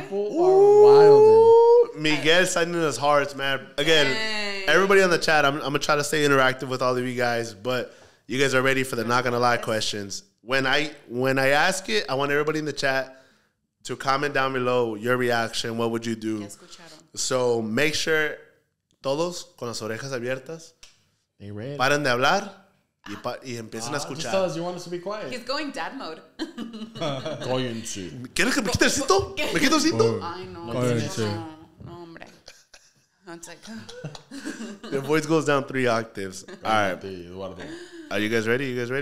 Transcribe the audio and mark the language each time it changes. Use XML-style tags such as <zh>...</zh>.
<en>People are wild. Miguel signing his hearts, man. Again, dang. Everybody on the chat, I'm going to try to stay interactive with all of you guys, but you guys are ready for the Not Gonna Lie questions. When I ask it, I want everybody in the chat to comment down below your reaction. What would you do? So make sure,</en> <es>todos con las orejas abiertas,</es> <en>they read.</en> <es>Paren de hablar. Y empiezan a escuchar.</es> <en>Just tell us you want us to be quiet. He's going dad mode. Going to.</en> <es>¿Quieres que me quite el cinto? ¿Me quito el cinto? Ay, no.</es> <en>Going to.</en> <es>No, hombre.</es> <en>It's like. Your voice goes down 3 octaves. All right. Are you guys ready?</en>